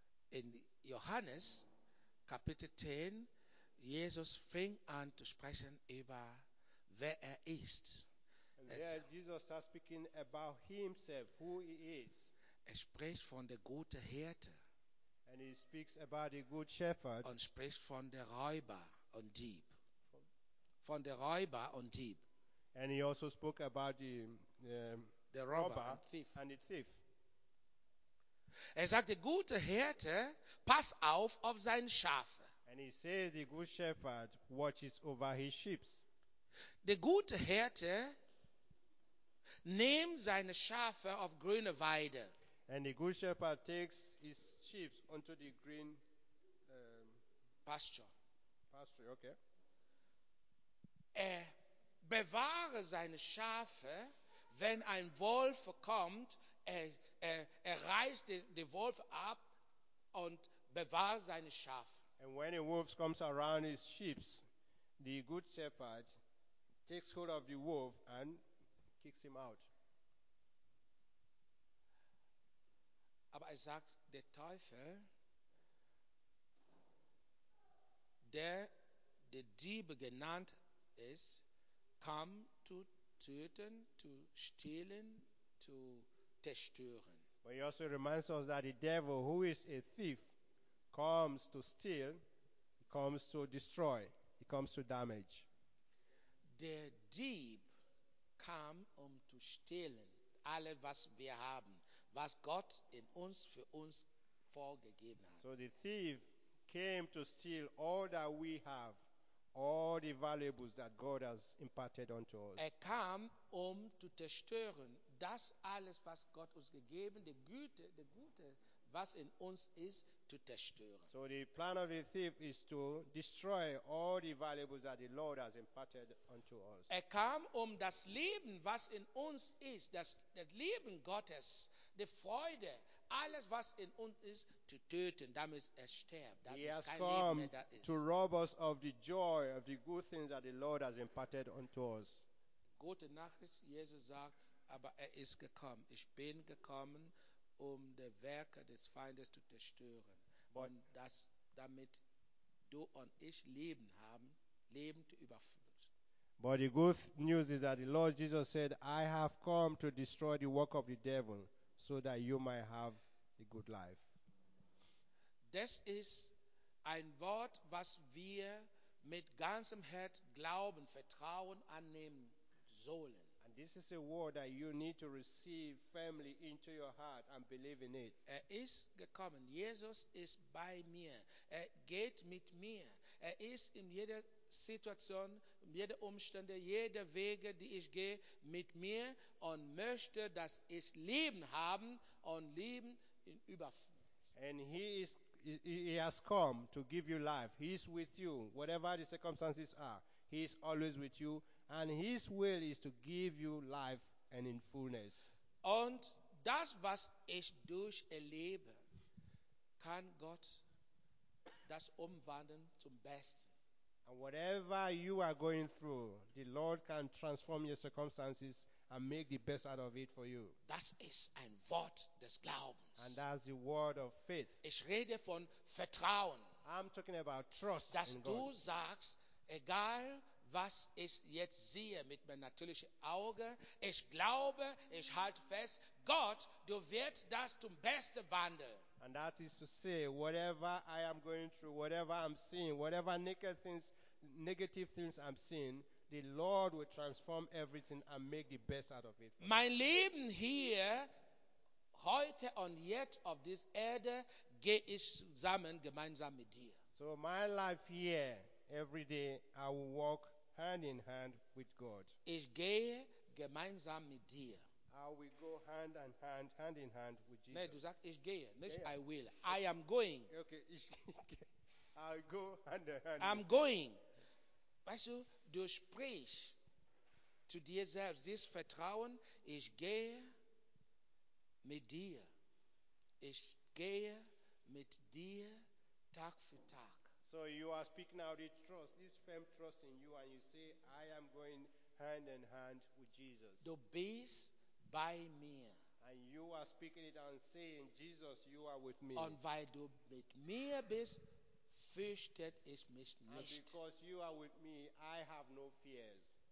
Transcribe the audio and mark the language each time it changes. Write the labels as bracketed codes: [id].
[de] In Johannes Kapitel 10, Jesus fing an zu sprechen über wer ist. [en] And there Jesus starts speaking about himself, who he is. [de] Spricht von der gute Hirte. [en] And he speaks about the good shepherd. [de] Und spricht von der Räuber und Dieb. Von der Räuber und Dieb. [en] And he also spoke about the robber and thief. And the thief. [de] Sagt, der gute Hirte, pass auf sein Schafe. [en] And he says the good shepherd watches over his sheep. [de] Der gute Hirte nimmt seine Schafe auf grüne Weide. [en] And the good shepherd takes his sheep onto the green pasture, okay. [de] Bewahre seine Schafe, wenn ein Wolf kommt, reißt den Wolf ab und bewahre seine Schafe. [en] And when a wolf comes around his sheep, the good shepherd takes hold of the wolf and kicks him out. [de] Aber sagt, der Teufel, der Dieb genannt ist, kam zu töten, zu stehlen, zu zerstören. [en] But he also reminds us that the devil, who is a thief, comes to steal, he comes to destroy, he comes to damage. [de] Der Dieb kam zu stehlen, alles was wir haben, was Gott in uns für uns vorgegeben hat. [en] So the thief came to steal all that we have, all the valuables that God has imparted unto us. [de] Kam zu zerstören, das alles was Gott uns gegeben, die Güte, die Gute, was in uns ist, zu zerstören. [en] So the plan of the thief is to destroy all the valuables that the Lord has imparted unto us. [de] Kam das Leben, was in uns ist, das Leben Gottes, die Freude, alles was in uns ist, zu töten, damit sterbt. [en] He has come to rob us of the joy of the good things that the Lord has imparted unto us. [de] Gute Nachricht, Jesus sagt, aber ist gekommen. Ich bin gekommen, die Werke des Feindes zu zerstören. But und das, damit du und ich Leben haben, Leben zu überfluss. [en] But the good news is that the Lord Jesus said, I have come to destroy the work of the devil, so that you might have a good life. [de] Das ist ein Wort, was wir mit ganzem Herz glauben, vertrauen, annehmen sollen. [en] And this is a word that you need to receive firmly into your heart and believe in it. [de] Ist gekommen. Jesus ist bei mir. Geht mit mir. Ist in jeder Situation, in jeder Umstände, jeder Wege, die ich gehe, mit mir und möchte, dass ich Leben haben und Leben in Überfluss. [en] And he has come to give you life. He is with you. Whatever the circumstances are, he is always with you. And his will is to give you life and in fullness. [de] Und das, was ich durch erlebe, kann Gott das umwandeln zum Besten. [en] And whatever you are going through, the Lord can transform your circumstances and make the best out of it for you. [de] Das ist ein Wort des Glaubens. [en] And that's the word of faith. [de] Ich rede von Vertrauen. [en] I'm talking about trust. [de] Dass in du [en] God. [de] Sagst, egal was ich jetzt sehe mit meinem natürlichen Auge, ich glaube, ich halte fest, Gott, du wirst das zum Besten wandeln. [en] And that is to say, whatever I am going through, whatever I'm seeing, whatever negative things I'm seeing, the Lord will transform everything and make the best out of it. [de] Mein Leben hier, heute und jetzt auf dieser Erde, gehe ich zusammen, gemeinsam mit dir. [en] So my life here, every day, I will walk hand in hand with God. [de] Ich gehe gemeinsam mit dir. [en] How we go hand in hand with Jesus. [de] Nee, du sagst, ich gehe. Nicht, yeah. [en] I will. I am going. Okay, [de] ich gehe. [en] I'll go hand in hand. I'm going. [de] Weißt du, du sprichst zu dir selbst, dieses Vertrauen, ich gehe mit dir. Ich gehe mit dir Tag für Tag. [en] So you are speaking out this trust, this firm trust in you, and you say, I am going hand in hand with Jesus. [de] Du bist bei mir. [en] And you are speaking it and saying, Jesus, you are with me. [de] Und weil du mit mir bist, fürchtet ich mich nicht. [en] And because you are with me, I have no fears.